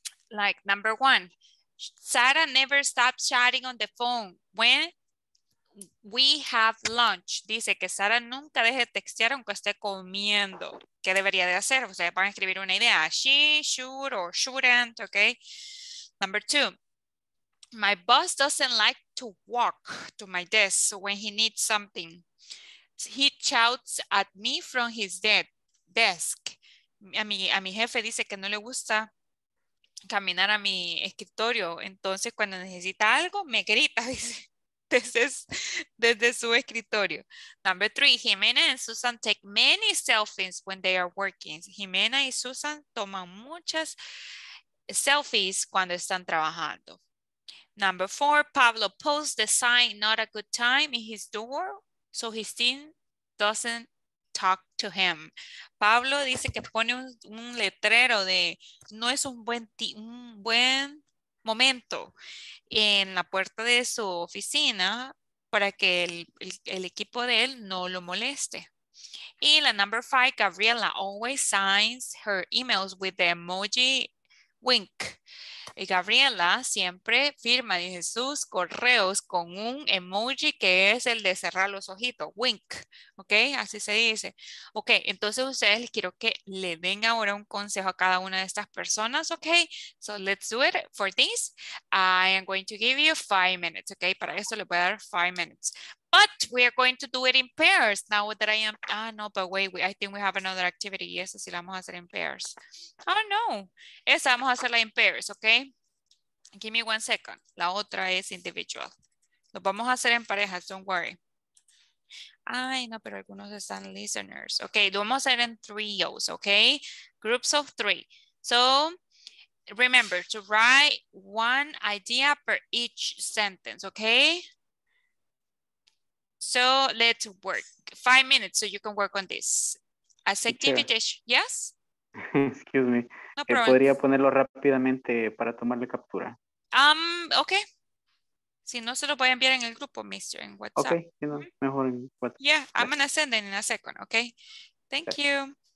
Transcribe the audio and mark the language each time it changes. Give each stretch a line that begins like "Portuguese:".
English: Like number one, Sarah never stops chatting on the phone when we have lunch.
Spanish: Dice que Sarah nunca deje de textear aunque esté comiendo. ¿Qué debería de hacer? O sea, van a escribir una idea.
English: She should or shouldn't, okay? Number two, my boss doesn't like to walk to my desk when he needs something. He shouts at me from his desk.
Spanish: A mi jefe dice que no le gusta caminar a mi escritorio. Entonces, cuando necesita algo, me grita, dice, desde su escritorio.
English: Number three, Jimena and Susan take many selfies when they are working.
Spanish: Jimena y Susan toman muchas selfies cuando están trabajando.
English: Number four, Pablo posts the sign not a good time in his door, so his team doesn't talk to him.
Spanish: Pablo dice que pone un letrero de no es un buen momento en la puerta de su oficina para que el equipo de él no lo moleste. Y la
English: number 5, Gabriela always signs her emails with the emoji wink.
Spanish: Y Gabriela siempre firma, dice, sus correos con un emoji que es el de cerrar los ojitos, wink. Ok, así se dice. Ok, entonces ustedes les quiero que le den ahora un consejo a cada una de estas personas.
English: Ok, so let's do it for this. I am going to give you 5 minutes.
Spanish: Ok, para eso le voy a dar
English: 5 minutes. But we are going to do it in pairs now that I am. Ah, no, but wait, I think we have another activity.
Spanish: Y esa sí la vamos a hacer
English: in pairs. Oh, no.
Spanish: Esa vamos a hacerla
English: in pairs, ok? Give me 1 second.
Spanish: La otra es individual. Lo vamos a hacer en parejas,
English: don't worry.
Spanish: Ay, no, pero algunos están listeners. Ok, lo vamos a hacer en trios, ok?
English: Groups of 3. So, remember to write 1 idea per each sentence, ok? So let's work. 5 minutes so you can work on this. Acceptive dish, yes? Excuse me. No problem.
Spanish: ¿Podría ponerlo rápidamente para tomarle captura?
English: Okay.
Spanish: Si no, se lo voy a enviar en el grupo, mister, en WhatsApp.
English: Okay, you know,
Spanish: mejor en WhatsApp.
English: Yeah, yes. I'm gonna send it in a second, okay? Thank you.